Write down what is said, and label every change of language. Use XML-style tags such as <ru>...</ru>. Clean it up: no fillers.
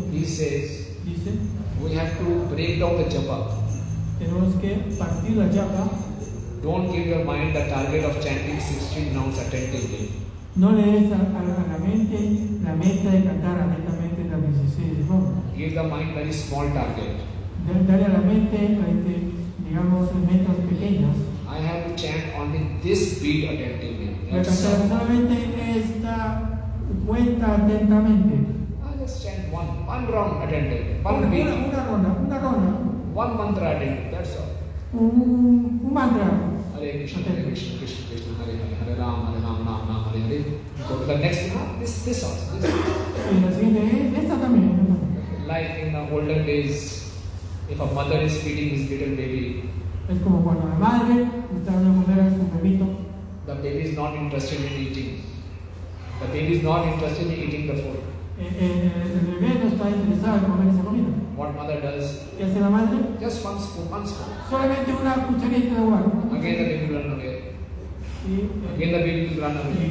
<en>He says, we have to break down the japa.</en> <es>Tenemos que partir la japa.</es> <en>Don't give your mind the target of chanting 16 rounds attentively.</en> <es>No le des a la mente la meta de cantar atentamente las 16 rondas.</es> <en>Give the mind very small target.</en> <es>Dale a la mente, digamos, metas pequeñas.</es> <en>I have to chant only this beat attentively.</en> <es>Solamente esta. Cuenta atentamente.</es> <en>I just chant one round attentively.</en> <es>Una ronda.</es> <en>One mantra attentively, that's all.</en> <es>Un mantra.</es> <sa>Hare Krishna, Hare Krishna, Krishna Krishna, Hare Hare, Hare Rama, Hare Rama, Rama Rama, Hare Hare.</sa> <en>Go to the next one. This also.</en> <es>Y la siguiente es esta también.</es> <en>Like in the olden days, if a mother is feeding his little baby.</en> <es>Es como cuando la madre está dando a comer a su bebito.</es> <en>The baby is not interested in eating. The baby is not interested in eating the food. What mother does?</en> <es>¿Qué hace la madre?</es> <en>Just one spoon.</en> <es>Solamente una cucharita de agua.</es> <en>Again the baby will run away. Again the baby will run away.</en>